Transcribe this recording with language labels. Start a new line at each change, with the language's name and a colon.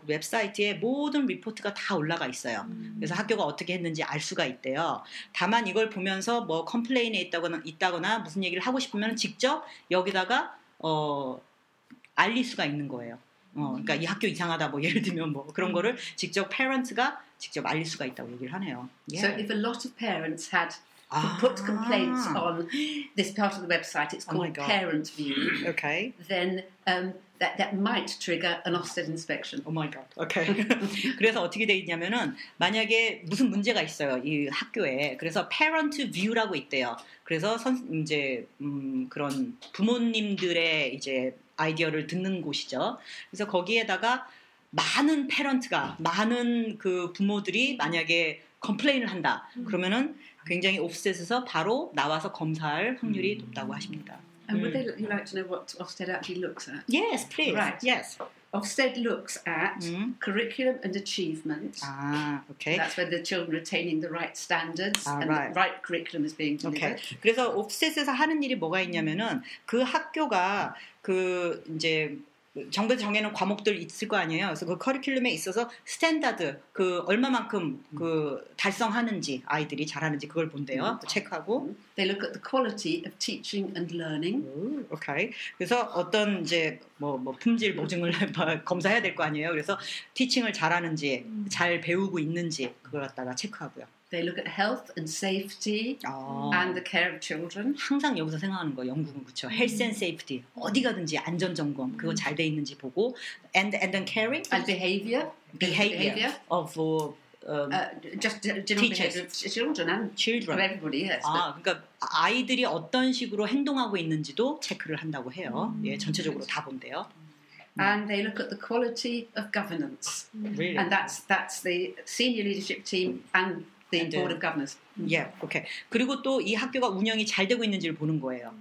Korean: 그 웹사이트에 모든 리포트가 다 올라가 있어요. 그래서 학교가 어떻게 했는지 알 수가 있대요. 다만 이걸 보면서 뭐 컴플레인에 있다거나 무슨 얘기를 하고 싶으면 직접 여기다가 알릴 수가 있는 거예요. 그러니까 이 학교 이상하다 뭐 예를 들면 뭐 그런 거를 직접 parents가 직접 알릴 수가 있다고 얘기를 하네요.
English: Yeah. So if a lot of parents had put complaints on this part of the website, it's called Parent View. Okay. Then that might trigger an Ofsted inspection. Oh my god. Okay.
Korean: 그래서 어떻게 돼 있냐면은 만약에 무슨 문제가 있어요 이 학교에 그래서 Parent View라고 있대요. 그래서 이제 그런 부모님들의 이제 아이디어를 듣는 곳이죠. 그래서 거기에다가 많은 parent가, 많은 그 부모들이 만약에 complain을 한다. 그러면은 굉장히 Ofsted에서 바로 나와서 검사할 확률이 높다고 하십니다.
English: And would they like to know what Ofsted actually looks at? Yes, please. Right. Yes. Ofsted looks at curriculum and achievement. Ah, okay. That's where the children are attaining the right standards and the right curriculum is being delivered. Okay.
Korean: 그래서 Ofsted에서 하는 일이 뭐가 있냐면은 그 학교가 그 이제 정부에서 정해놓은 과목들 있을 거 아니에요. 그래서 그 커리큘럼에 있어서 스탠다드, 그 얼마만큼 그 달성하는지 아이들이 잘하는지 그걸 본대요. 또 체크하고.
English: They look at the quality of teaching and learning. Okay.
Korean: 그래서 어떤 이제 뭐 품질 보증을 검사해야 될 거 아니에요. 그래서 teaching을 잘하는지, 잘 배우고 있는지 그걸 갖다가 체크하고요. They look at health and safety and the care of children. 항상 여기서 생각하는 거 영국은 그렇죠.
English: Health and safety.
Korean: 어디 가든지 안전 점검. 그거 잘 돼 있는지 보고
English: and then caring and behavior of just general behavior of children and children of everybody. Yes.
Korean: 아, 그러니까 아이들이 어떤 식으로 행동하고 있는지도 체크를 한다고 해요. 예, 전체적으로 다 본대요.
English: And they look at the quality of governance. Really? And that's the senior leadership team and the and board of governors. Yeah. Okay.
Korean: 그리고 또 이 학교가 운영이 잘 되고 있는지를 보는 거예요.